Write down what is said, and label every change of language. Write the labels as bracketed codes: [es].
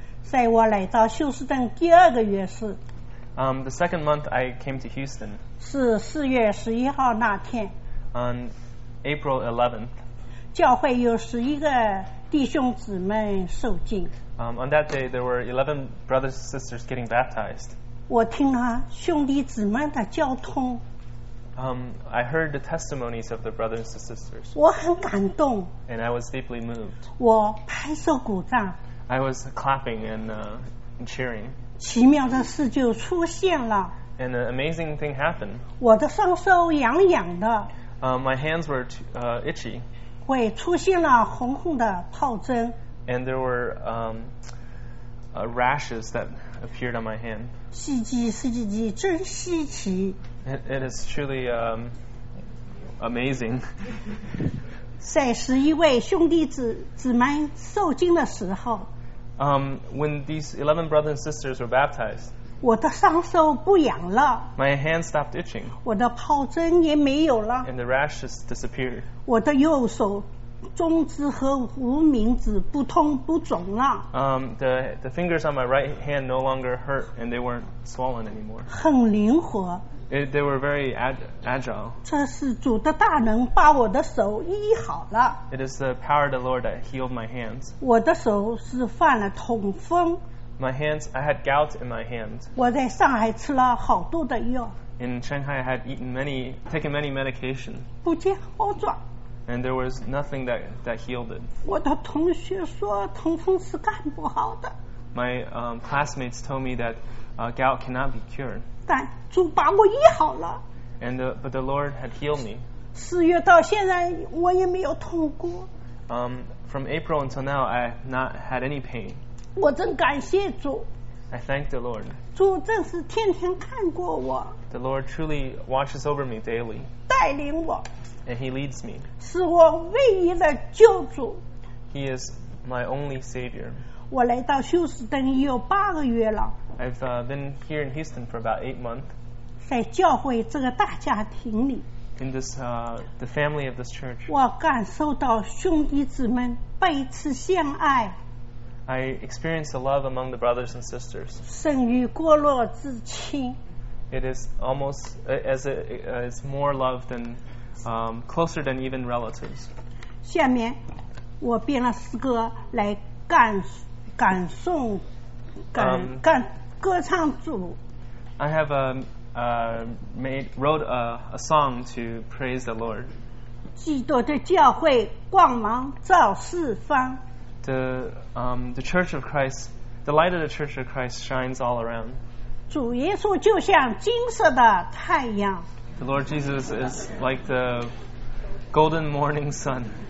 [zh] 在我来到休斯顿第二个月是。 [en] The second month I came to Houston. [zh] 是四月十一号那天。 [en] On April 11th. [zh] 教会有十一个弟兄姊妹受浸。 [en] On that day there were 11 brothers and sisters getting baptized. [zh] 我听了兄弟姊妹的交通。 [en] I heard the testimonies of the brothers and sisters. [zh] 我很感动。 [en] And I was deeply moved. [zh] 我拍手鼓掌。 [en] I was clapping and cheering. [zh] 奇妙的事就出现了。 [en] And an amazing thing happened. [zh] 我的双手痒痒的。 [en] My hands were itchy. [zh] 会出现了红红的疱疹。 [en] And there were rashes that appeared on my hand. [zh] 稀奇，稀奇，奇，真稀奇。 [en] It is truly amazing. [zh] 在十一位兄弟姊妹受浸的时候。 [en] When these 11 brothers and sisters were baptized, [zh] 我的双手不痒了。 [en] My hands stopped itching. [zh] 我的疱疹也没有了。 [en] And the rashes disappeared. [zh] 我的右手中指和无名指不痛不肿了。 [en] The fingers on my right hand no longer hurt and they weren't swollen anymore. [zh] 很灵活。 [en] They were very agile. [zh] 这是主的大能把我的手医好了。 [en] It is the power of the Lord that healed my hands. [zh] 我的手是犯了痛风。 [en] I had gout in my hands. [zh] 我在上海吃了好多的药。 [en] In Shanghai, I had taken many medications. [zh] 不见好转。 [en] And there was nothing that healed it. [zh] 我的同学说痛风是干不好的。 [en] My classmates told me that gout cannot be cured. [zh] 但主把我医好了。 [en] But the Lord had healed me. [zh] 四月到现在我也没有痛过。 [en] From April until now, I have not had any pain. [zh] 我真感谢主。 [en] I thank the Lord. [zh] 主真是天天看过我。 [en] The Lord truly watches over me daily. [zh] 带领我。 [en] And he leads me. [zh] 是我唯一的救主。 [en] He is my only savior. [zh] 我来到休斯顿已有八个月了。 [en] I've been here in Houston for about 8 months. [zh] 在教会这个大家庭里。 [en] In this, the family of this church. [zh] 我感受到兄弟姊妹彼此相爱。 [en] I experience the love among the brothers and sisters. [zh] 胜于过落至亲。 [en] It is almost as more love than closer than even relatives. [zh] 下面我编了诗歌来歌唱主。 [en] I have wrote a song to praise the Lord. [zh] 基督的教会光芒照四方。 [en] The Church of Christ, the light of the Church of Christ shines all around. [zh] 主耶稣就像金色的太阳。 [en] The Lord Jesus is like the golden morning sun.